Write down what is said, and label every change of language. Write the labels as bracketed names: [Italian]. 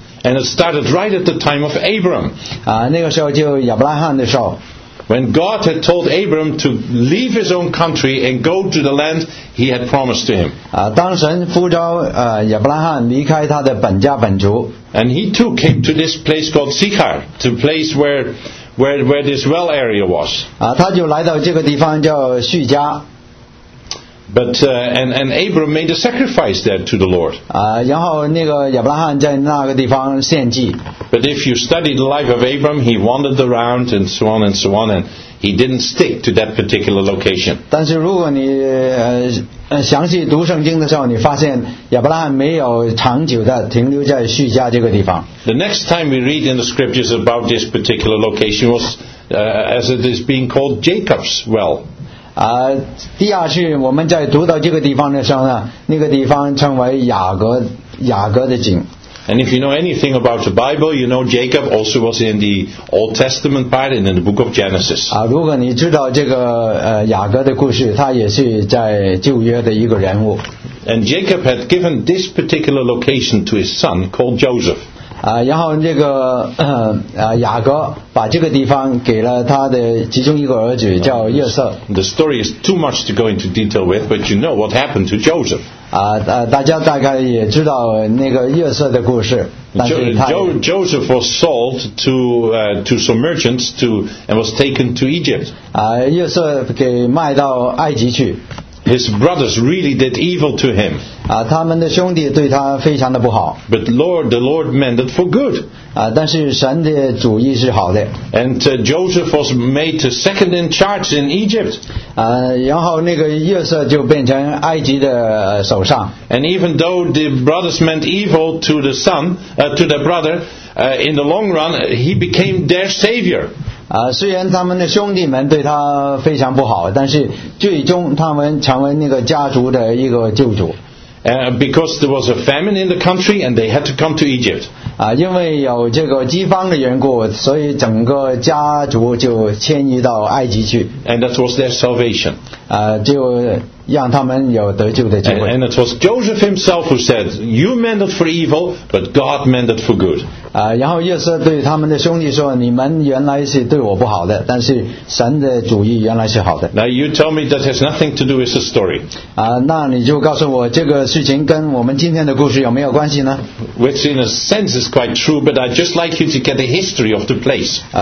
[English] And it started right at the time of Abram. [Chinese] 那个时候就亚伯拉罕的时候。 [English] When God had told Abram to leave his own country and go to the land he had promised to him. [Chinese] 当神呼召亚伯拉罕离开他的本家本族。 [English] And he too came to this place called Sichar, to a place where this well area was. [Chinese] 他就来到这个地方叫叙加。 [English] But and Abram made a sacrifice there to the Lord. [Chinese] 然后那个亚伯拉罕在那个地方献祭。 [English] But if you study the life of Abram, he wandered around and so on and so on, and he didn't stick to that particular location. [Chinese] 但是如果你详细读圣经的时候，你发现亚伯拉罕没有长久的停留在叙加这个地方。 [English] The next time we read in the scriptures about this particular location was as it is being called Jacob's well. [Chinese] 第二次我们在读到这个地方的时候呢，那个地方称为雅各的井。 [English] And if you know anything about the Bible, you know Jacob also was in the Old Testament part and in the book of Genesis. [Chinese] 如果你知道这个雅各的故事，他也是在旧约的一个人物。 [English] And Jacob had given this particular location to his son called Joseph. [Chinese] 然后这个雅各把这个地方给了他的其中一个儿子叫约瑟。 [English] The story is too much to go into detail with, but you know what happened to Joseph. [Chinese] 大家大概也知道那个约瑟的故事。 [English] Joseph was sold to some merchants and was taken to Egypt. [Chinese] 约瑟给卖到埃及去。 [English] His brothers really did evil to him. [Chinese] 他们的兄弟对他非常的不好。 [English] But the Lord meant it for good. [Chinese] 但是神的主意是好的。 [English] And Joseph was made to second in charge in Egypt. [Chinese] 然后那个约瑟就变成埃及的首相。 [English] And even though the brothers meant evil to the son, to the brother, in the long run, he became their savior. [Chinese] 虽然他们的兄弟们对他非常不好，但是最终他们成为那个家族的一个救主。 [English] Because there was a famine in the country and they had to come to Egypt. [Chinese] 因为有这个饥荒的缘故，所以整个家族就迁移到埃及去。 [English] And that was their salvation. [Chinese] 就让他们有得救的机会。 [English] And it was Joseph himself who said, "You meant it for evil, but God meant it for good." [Chinese] 然后约瑟对他们的兄弟说，你们原来是对我不好的，但是神的主意原来是好的。 [English] Now you tell me that has nothing to do with the story. [Chinese] 那你就告诉我这个事情跟我们今天的故事有没有关系呢？ [English] Which in a sense is quite true, but I'd just like you to get the history of the place.